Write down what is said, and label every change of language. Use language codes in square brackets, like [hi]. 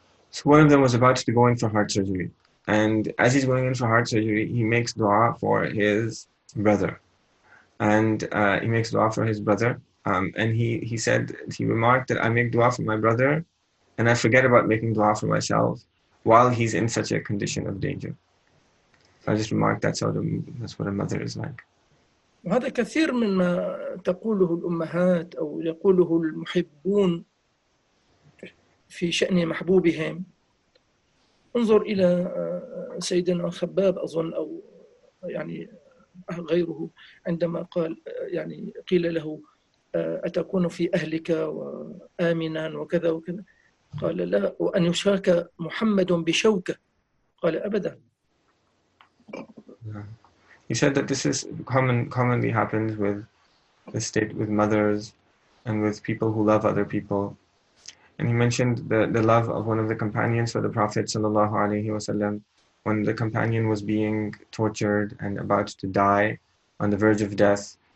[en] So one of them was about to go in for heart surgery. And as he's going in for heart surgery, he makes dua for his brother. And he makes dua for his brother. And he remarked that I make dua for my brother and I forget about making dua for myself while he's in such a condition of danger. So I just remarked that's what a mother is like. [ar] وهذا كثير مما تقوله الأمهات أو يقوله المحبون في شأن محبوبهم انظر إلى سيدنا خباب أظن أو يعني غيره عندما قال يعني قيل له أتكون في أهلك وآمنا وكذا وكذا قال لا وأن يشاك محمد بشوكة قال أبدا [en] He said that this is commonly happens with the state with mothers and with people who love other people. And he mentioned the love of one of the companions for the Prophet sallallahu alaihi wasallam when the companion was being tortured and about to die on the verge of death.